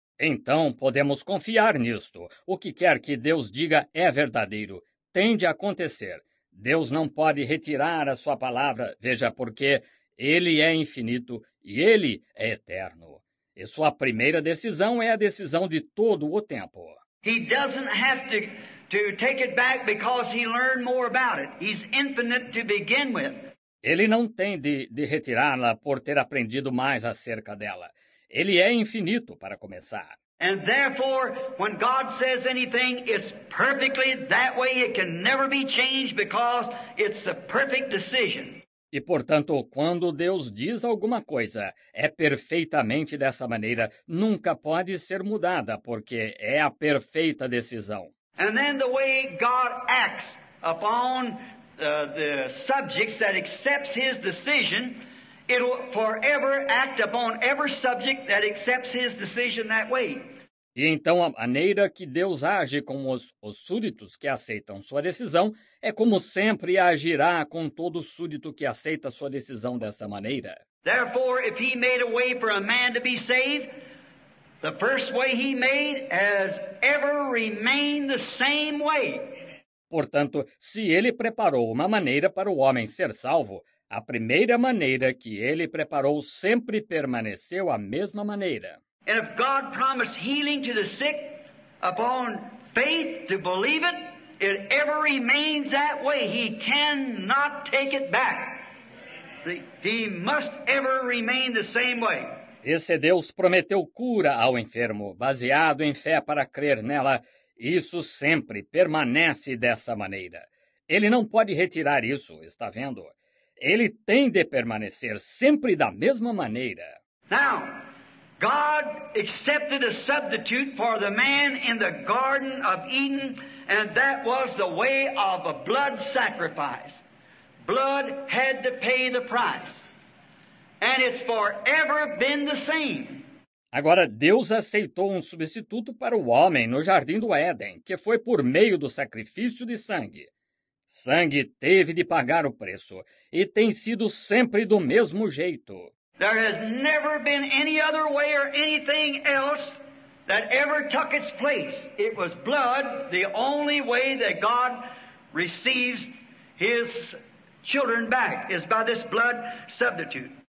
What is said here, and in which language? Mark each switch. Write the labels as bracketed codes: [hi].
[pt] Então podemos confiar nisto. O que quer que Deus diga é verdadeiro. Tem de acontecer. Deus não pode retirar a sua palavra, veja, porque ele é infinito e ele é eterno. E sua primeira decisão é a decisão de todo o tempo. [en] He doesn't have to take it back because he learned more about it. He's infinite to begin with. [pt] Ele não tem de retirá-la por ter aprendido mais acerca dela. Ele é infinito para começar. [en] And therefore, when God says anything, it's perfectly that way. It can never be changed because it's the perfect decision. [pt] E, portanto, quando Deus diz alguma coisa, é perfeitamente dessa maneira. Nunca pode ser mudada, porque é a perfeita decisão. [en] And then the way God acts upon the subjects that accepts his decision, it will forever act upon every subject that accepts his decision that way. [pt] E então a maneira que Deus age com os súditos que aceitam sua decisão é como sempre agirá com todo súdito que aceita sua decisão dessa maneira. [en] Therefore, if he made a way for a man to be saved, the first way he made has ever remained the same way. [pt] Portanto, se ele preparou uma maneira para o homem ser salvo, a primeira maneira que ele preparou sempre permaneceu a mesma maneira. [en] And if God promised healing to the sick upon faith to believe it, it ever remains that way. He cannot take it back. He must ever remain the same way. [pt] E se Deus prometeu cura ao enfermo, baseado em fé para crer nela, isso sempre permanece dessa maneira. Ele não pode retirar isso, está vendo? Ele tem de permanecer sempre da mesma maneira. [en] Now, God accepted a substitute for the man in the Garden of Eden, and that was the way of a blood sacrifice. Blood had to pay the price. And it's forever been the same. [pt] Agora, Deus aceitou um substituto para o homem no Jardim do Éden, que foi por meio do sacrifício de sangue. Sangue teve de pagar o preço, e tem sido sempre do mesmo jeito. [en] There has never been any other way or anything else that ever took its place. It was blood, the only way that God receives his children back is by this blood substitute.